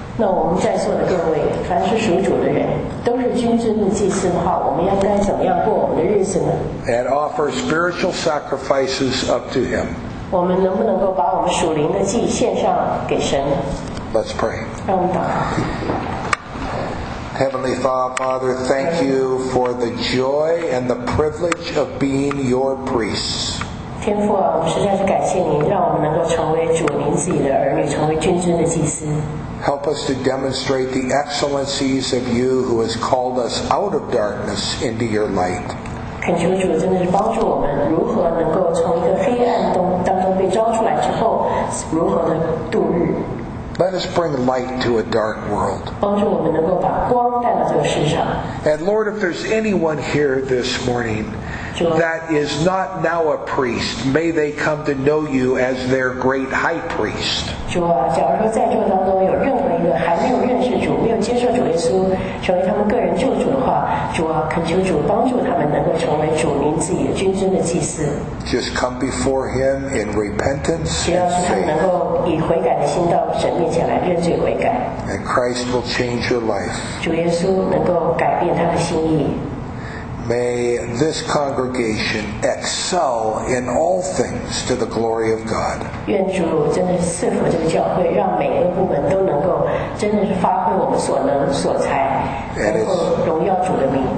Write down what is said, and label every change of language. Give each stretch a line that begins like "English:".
Chinese: 那我们在座的各位，凡是属主的人，都是君尊的祭司的话，我们应该怎么样过我们的日子呢？
English: And offer spiritual sacrifices up to Him.
Chinese: 我们能不能够把我们属灵的祭献上给神？
English: Let's pray.
Chinese: 让我们祷告。
English: Heavenly Father, thank you for the joy and the privilege of being your priests.
Chinese: 天父啊，我们实在是感谢您，让我们能够成为主您自己的儿女，成为君尊的祭司。
English: Help us to demonstrate the excellencies of you who has called us out of darkness into your light.
Chinese: 恳求主真的是帮助我们如何能够从一个黑暗当中被招出来之后如何的度日。
English: Let us bring light to a dark world.
Chinese: 帮助我们能够把光带到这个世上。
English: And Lord, if there's anyone here this morning that is not now a priest, may they come to know you as their great high priest.
Chinese: 主啊，假如说在座当中有任何一个还没有认识主、没有接受主耶稣成为他们个人救主的话，主啊，恳求主帮助他们能够成为主您自己的君尊的祭司。
English: Just come before Him in repentance and faith.
Chinese: 只要是他们能够以悔改的心到神面前来认罪悔改。
English: And Christ will change your life.
Chinese: 主耶稣能够改变他的心意。
English: May this congregation excel in all things to the glory of God.
Chinese: 愿主真的赐福这个教会，让每个部门都能够真的是发挥我们所能所才，能够荣耀主的名。